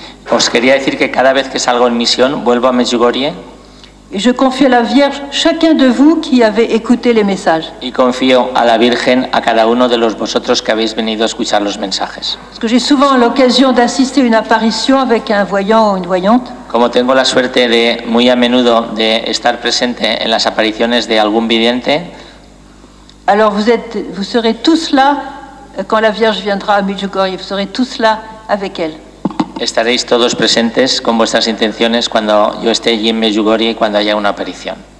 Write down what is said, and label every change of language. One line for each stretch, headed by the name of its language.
Spanish: Os quería decir que cada vez que salgo en misión vuelvo a Medjugorje.
French: Y je confie à la Vierge chacun de vous qui avez écouté les messages.
Spanish: Y confío a la Virgen a cada uno de los vosotros que habéis venido a escuchar los mensajes.
French: Parce que j'ai souvent l'occasion d'assister une apparition avec un voyant ou une voyante.
Spanish: Como tengo la suerte de muy a menudo de estar presente en las apariciones de algún vidente.
French: Alors vous serez tous là quand la Vierge viendra à Medjugorje. Vous serez tous là avec elle.
Spanish: Estaréis todos presentes con vuestras intenciones cuando yo esté allí en Medjugorje y cuando haya una aparición.